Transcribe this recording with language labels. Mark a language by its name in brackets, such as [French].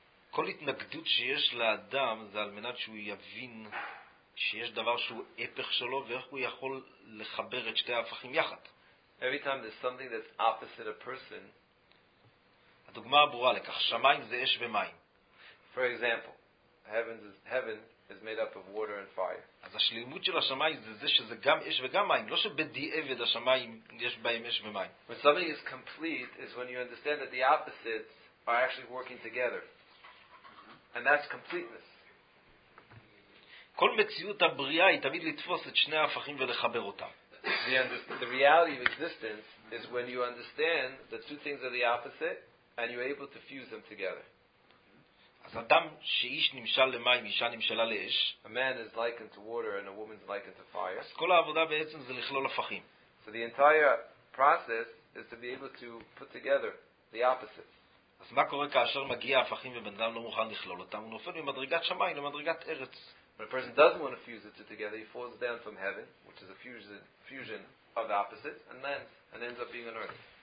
[Hebrew] כל התנגדות שיש לאדם זה על מנת שהוא יבין שיש דבר שהוא הפך שלו ואיך הוא יכול לחבר את שתי ההפכים יחד. [English] Every time there's something that's opposite a person. [Hebrew] הדוגמה הברורה לכך, שמיים זה אש ומים. [English] For example, heaven is made up of water and fire. [Hebrew] אז השלימות של השמיים זה זה שזה גם אש וגם מים, לא שבדיעבד השמיים יש בהם אש ומים. [English] When something is complete is when you understand that the opposites are actually working together. And that's completeness. [Hebrew] כל מציאות הבריאה היא תמיד לתפוס את שני ההפכים ולחבר אותם. [English] The reality of existence is when you understand that two things are the opposite and you're able to fuse them together. [Hebrew] אז אדם שאיש נמשל למים, אישה נמשלה לאש. [English] A man is likened to water and a woman is likened to fire. [Hebrew] אז כל העבודה בעצם זה לכלול הפכים. [English] So the entire process is to be able to put together the opposite. [Hebrew] אז מה קורה כאשר מגיע הפכים ובן אדם לא מוכן לכלול אותם? הוא נופל ממדרגת שמיים למדרגת ארץ. [English] When a person doesn't want to fuse it together, he falls down from heaven, which is a fusion of the opposite, and lands, and ends up being on earth.